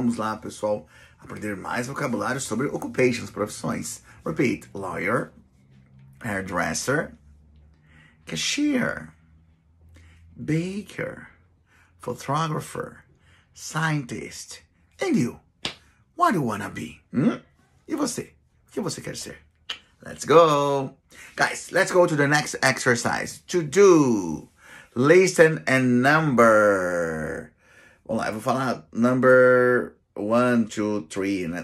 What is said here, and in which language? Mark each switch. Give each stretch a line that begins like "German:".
Portuguese: Vamos lá, pessoal, aprender mais vocabulário sobre occupations, profissões.
English: Repeat. Lawyer, hairdresser, cashier, baker, photographer, scientist. And you? What do you wanna be?
Portuguese: E você? O que você quer ser?
English: Let's go! Guys, let's go to the next exercise. To do. Listen and number.
Portuguese: Vamos lá, eu vou falar
English: number one, two, three,
Portuguese: né?